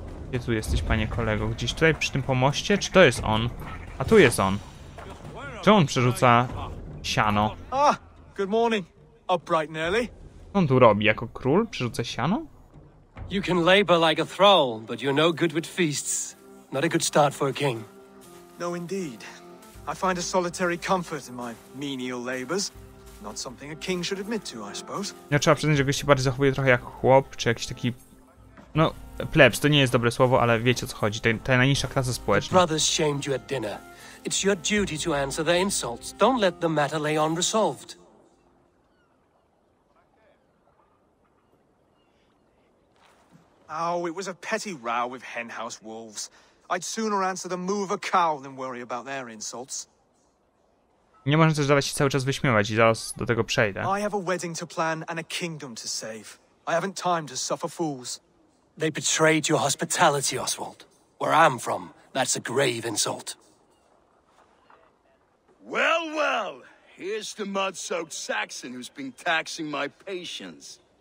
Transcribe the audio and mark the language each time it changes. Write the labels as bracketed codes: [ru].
[pl] Gdzie tu jesteś, panie kolego? Gdzieś tutaj przy tym pomoście? Czy to jest on? A tu jest on. Czy on przerzuca siano? [en] Ah, good morning. Upright and early. [pl] Co on tu robi? Jako król przerzuca siano? [en] You can labor like a thrall, but you're no good with feasts. Not a good start for a king. No, indeed. I find a solitary comfort in my menial labors. Not something a king should admit to, I suppose. [pl] Ja trzeba przyznać, że się bardziej zachowuje trochę jak chłop, czy jakiś taki. No, plebs to nie jest dobre słowo, ale wiecie o co chodzi. Ta najniższa klasa społeczna. [en] The brothers shamed you at dinner. It's your duty to answer their insults. Don't let the matter lay unresolved. Oh, it was a petty row with henhouse wolves. I'd sooner answer the moo of a cow than worry about their insults. [pl] Nie można też dawać się cały czas wyśmiewać i zaraz do tego przejdę. [en] I have a wedding to plan and a kingdom to save. I haven't time to suffer fools. They betrayed your hospitality, Oswald. Where I'm from, that's a grave insult. Well, well, here's the mud-soaked Saxon who's been taxing my patience.